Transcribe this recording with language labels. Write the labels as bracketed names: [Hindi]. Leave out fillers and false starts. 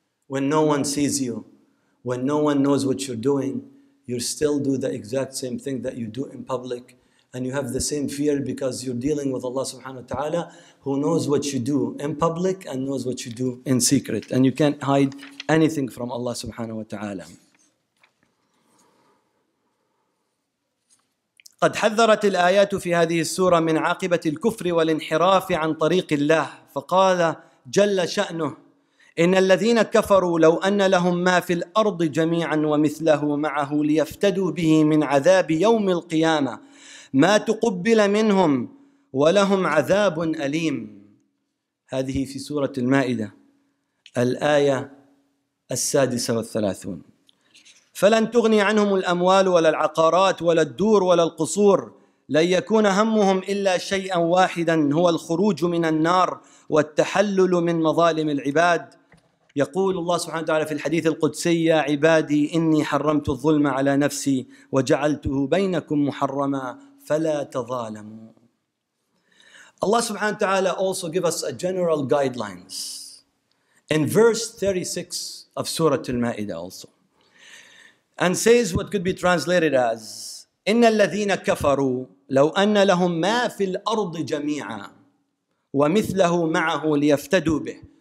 [English] When no one sees you, when no one knows what you're doing, you still do the exact same thing that you do in public. And you have the same fear because you're dealing with Allah subhanahu wa ta'ala, who knows what you do in public and knows what you do in secret. And you can't hide anything from Allah subhanahu wa ta'ala. [Arabic] قد حذرت الآيات في هذه السورة من عاقبة الكفر والانحراف عن طريق الله فقال جل شأنه إن الذين كفروا لو أن لهم ما في الأرض جميعا ومثله معه ليفتدوا به من عذاب يوم القيامة ما تقبل منهم ولهم عذاب أليم. هذه في سورة المائدة الآية 36. فلن تغني عنهم الأموال ولا العقارات ولا الدور ولا القصور لن يكون همهم إلا شيئا واحدا هو الخروج من النار والتحلل من مظالم العباد. يقول الله سبحانه وتعالى في الحديث القدسي: يا عبادي إني حرمت الظلم على نفسي وجعلته بينكم محرما فلا تظالموا. [English] Allah subhanahu wa ta'ala also give us a general guidelines in verse 36 of Surah Al-Ma'ida also, and says what could be translated as, [Arabic] إِنَّ الَّذِينَ كَفَرُوا لَوْ أَنَّ لَهُمْ مَا فِي الْأَرْضِ جَمِيعًا وَمِثْلَهُ مَعَهُ لِيَفْتَدُوا بِهِ.